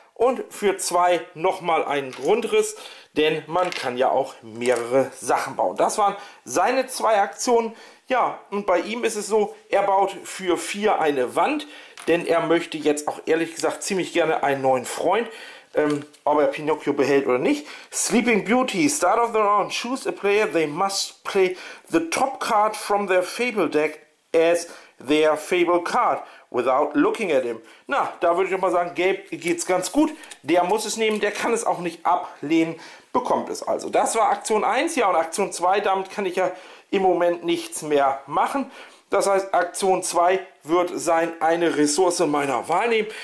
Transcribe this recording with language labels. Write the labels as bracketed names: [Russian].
[German] Und für 2 nochmal einen Grundriss, denn man kann ja auch mehrere Sachen bauen. Das waren seine zwei Aktionen. Ja, und bei ihm ist es so, er baut für 4 eine Wand, denn er möchte jetzt auch ehrlich gesagt ziemlich gerne einen neuen Freund, ob er Pinocchio behält oder nicht. [English] Sleeping Beauty, start of the round, choose a player, they must play the top card from their Fable deck as their Fable card without looking at him. [German] Na, da würde ich auch mal sagen, Gabe geht's ganz gut, der muss es nehmen, der kann es auch nicht ablehnen, bekommt es also. Das war Aktion 1, ja, und Aktion 2, damit kann ich ja im Moment nichts mehr machen. Das heißt, Aktion 2 wird sein, eine Ressource meiner Wahl nehmen.